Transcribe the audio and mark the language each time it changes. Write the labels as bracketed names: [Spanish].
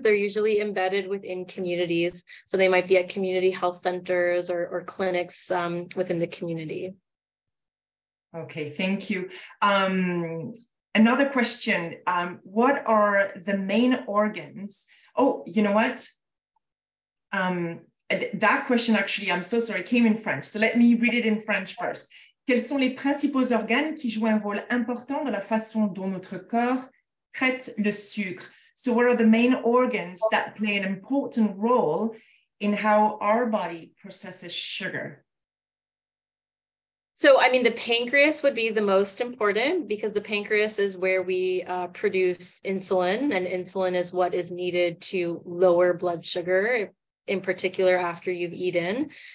[English] They're usually embedded within communities. So they might be at community health centers or clinics within the community. Okay, thank you. Another question, what are the main organs? Oh, you know what? That question actually, I'm so sorry, came in French. So let me read it in French first. [French] Quels sont les principaux organes qui jouent un rôle important dans la façon dont notre corps traite le sucre? [English] So what are the main organs that play an important role in how our body processes sugar? So, I mean, the pancreas would be the most important because the pancreas is where we produce insulin, and insulin is what is needed to lower blood sugar, in particular after you've eaten.